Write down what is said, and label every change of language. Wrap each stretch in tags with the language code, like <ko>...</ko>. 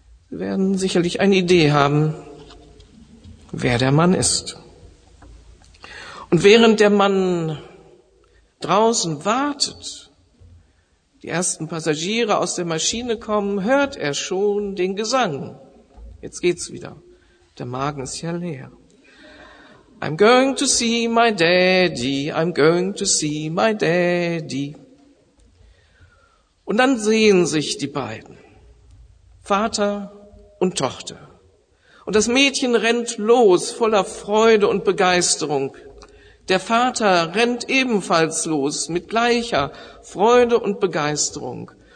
<de>Sie werden sicherlich eine Idee haben, wer der Mann ist. Und während der Mann draußen wartet, die ersten Passagiere aus der Maschine kommen, hört er schon den Gesang. Jetzt geht's wieder. Der Magen ist ja leer.</de> <en>I'm going to see my daddy, I'm going to see my daddy.</en> <de>Und dann sehen sich die beiden, Vater und Tochter. Und das Mädchen rennt los, voller Freude und Begeisterung. Der Vater rennt ebenfalls los, mit gleicher Freude und Begeisterung.</de>